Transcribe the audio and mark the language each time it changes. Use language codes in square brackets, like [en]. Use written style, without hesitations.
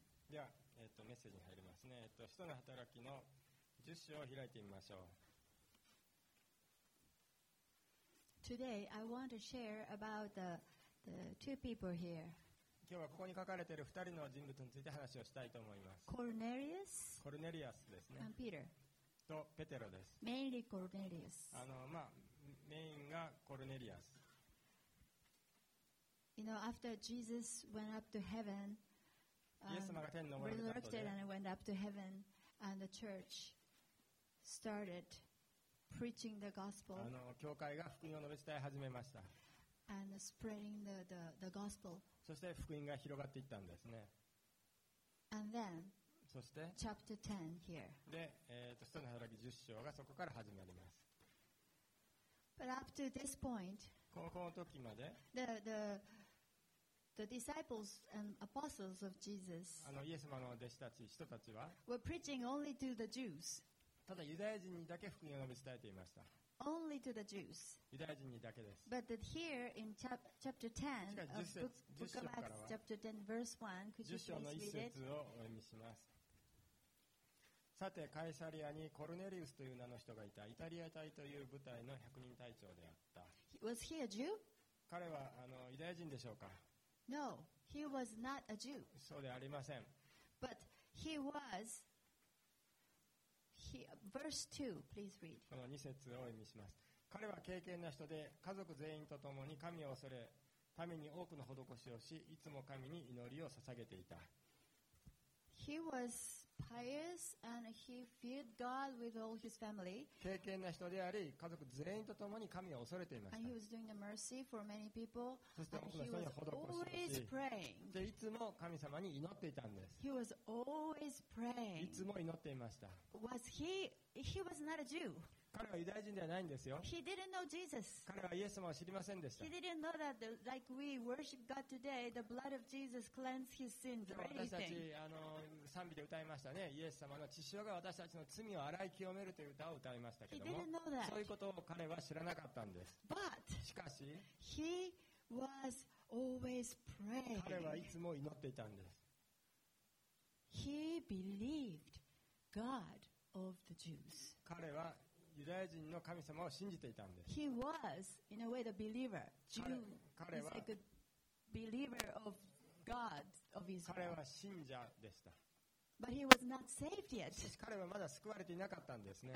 [ja] では、メッセージに入りますね。使徒の働きの10章を開いてみましょう。 [en] Today, I want to share about the two people here. [ja] 今日はここに書かれている2人の人物について話をしたいと思います。コルネリアスですね。 [en] And Peter. [ja] とペテロです。 [en] Mainly Cornelius. [ja] メインがコルネリアス。 [en] You know, after Jesus went up to heaven, resurrected and went up to heaven, and the church started preaching the gospel. [ja] 教会が福音を述べ伝え始めました。 [en] And spreading the gospel. [ja] そして福音が広がっていったんですね。 [en] And then. [ja] そして、 [en] Chapter 10 here. [ja] で、使徒の働き10章がそこから始まります。 [en] But up to this point, [ja] この時まで、 [en] the disciples and apostles of Jesus, イエス様の弟子たち、人たちは、 were preaching only to the Jews. [ja] ただユダヤ人にだけ福音を述べ伝えていました。 [en] Only to the Jews. [ja] ユダヤ人にだけです。 [en] But that here in chapter 10 of Book of Acts, chapter 10, verse 1, could you please read it? 10 [ja] 章の1節をお読みします。さて、カエサリアにコルネリウスという名の人がいた。イタリア隊という部隊の百人隊長であった。 [en] Was he a Jew? [ja] 彼はユダヤ人でしょうか? [en] No, he was not a Jew. [ja] そうでありません。 [en] But he was... Verse 2, please read. [ja] この2節を読みします。彼は敬虔な人で、家族全員と共に神を恐れ、民に多くの施しをし、いつも神に祈りを捧げていた。 [en] He was pious and he feared God with all his family. [ja] 敬虔な人であり、家族全員と共に神を恐れていました。 [en] And he was doing the mercy for many people. [ja] そして多くの人に施しをし、でいつも神様に祈っていたんです。 [en] He was always praying. [ja] いつも祈っていました。 [en] Was he was not a Jew. [ja] 彼はユダヤ人ではないんですよ。 [en] He didn't know Jesus. [ja] 彼はイエス様を知りませんでした。 [en] He didn't know that, like we worship God today, the blood of Jesus cleansed his sins or anything. [ja] 私たち賛美で歌いましたね。イエス様の血潮が私たちの罪を洗い清めるという歌を歌いましたけども。 [en] He didn't know that. [ja] そういうことを彼は知らなかったんです。 [en] But, [ja] しかし、 [en] he was always praying. [ja] 彼はいつも祈っていたんです。 [en] He believed God of the Jews. [ja] 彼はユダヤ人の神様を信じていたんです。 [en] He was, in a way, the believer. Jew. [ja] 彼は、 [en] like、a believer of God of Israel. [ja] 彼は信者でした。 [en] But he was not saved yet. [ja] しかし彼はまだ救われていなかったんですね。